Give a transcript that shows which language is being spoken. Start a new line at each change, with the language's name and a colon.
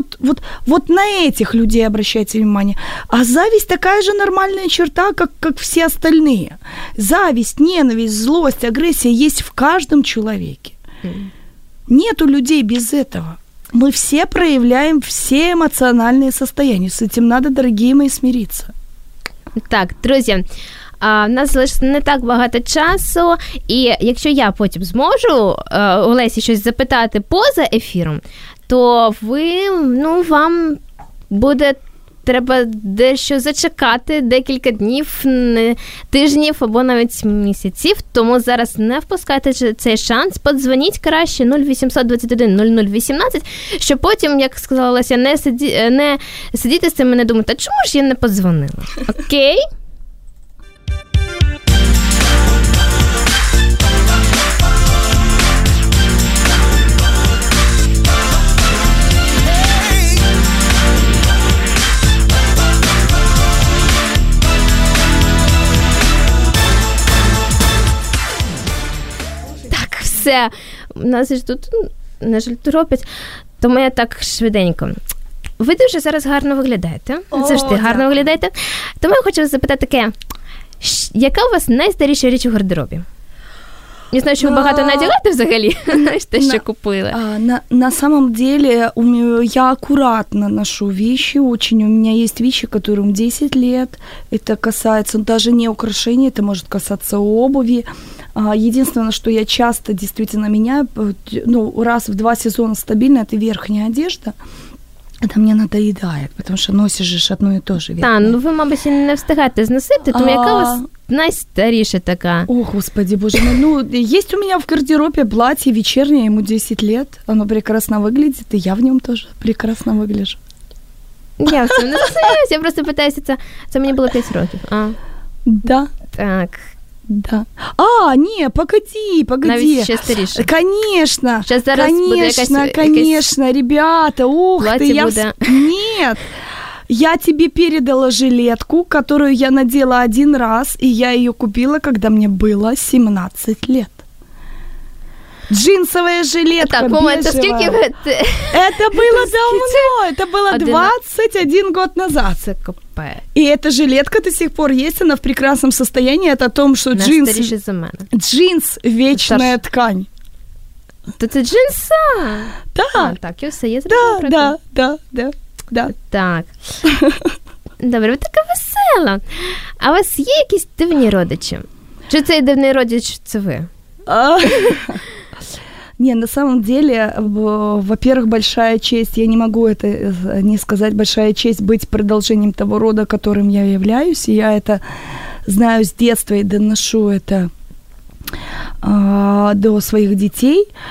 Russian: Ну вот на этих людей обращайте внимание. А зависть такая же нормальная черта, как все остальные. Зависть, ненависть, злость, агрессия есть в каждом человеке. Нету людей без этого. Мы все проявляем все эмоциональные состояния. С этим надо, дорогие мои, смириться.
Ukrainian: Так, друзья, в нас залишилось не так багато часу, і якщо я потім зможу Олесі щось запитати поза ефіром, то ви, ну, вам буде треба дещо зачекати декілька днів, тижнів або навіть місяців, тому зараз не впускайте цей шанс, подзвоніть краще 0821-0018, щоб потім, як сказала Олеся, не сидіти з цим і не думати, а чому ж я не подзвонила? Окей? Все, у нас ж тут не жаль, тому я так швиденько. Ви дуже зараз гарно виглядаєте. Завжди гарно виглядаєте. Тому я хочу вас запитати таке. Яка у вас найстаріша річ у гардеробі? Не знаю, що ви багато надягаєте взагалі, знаєш, те, що купили.
Russian: На самом деле, я акуратно ношу вещи очень. У меня есть вещи, которым 10 лет. Это касается даже не украшений, это может касаться обуви. Единственное, что я часто действительно меняю, ну, раз в 2 сезона стабильно, это верхняя одежда. Это мне надоедает, потому что носишь же одно и то же.
Ukrainian: Да, ну вы, мабуть, не встигаєте зносити, тому яка у вас найстаріша така?
Russian: О, господи, боже мой. Ну, есть у меня в гардеробе платье вечернее, ему 10 лет, оно прекрасно выглядит, и я в нем тоже прекрасно выгляжу.
Ukrainian: Я в цьому не засумаюсь,
Russian: я просто пытаюсь,
Ukrainian: це мені було 5 років. А.
Russian: Да. Так. Да. А, не, погоди.
Ukrainian: Навіть ще старіше.
Russian: Конечно. Сейчас зараз конечно, ребята, ух ты, я...
Ukrainian: Буде.
Russian: Нет. Я тебе передала жилетку, которую я надела один раз, и я ее купила, когда мне было 17 лет. Джинсовая жилетка, так, бежевая. Это, было давно, это было 21 год назад.
Ukrainian: Це капець.
Russian: И эта жилетка до сих пор есть, она в прекрасном состоянии. Это о том, что джинс – вечная ткань.
Ukrainian: То це джинса?
Russian: Да.
Ukrainian: Так, я все, я зрозумію.
Russian: Да.
Ukrainian: Так. Добре, ви така весела. А у вас є якісь дивні родичі? Чи цей дивний родич – це ви?
Russian: Не, на самом деле, во-первых, большая честь, я не могу это не сказать, большая честь быть продолжением того рода, которым я являюсь, и я это знаю с детства и доношу это до своих детей.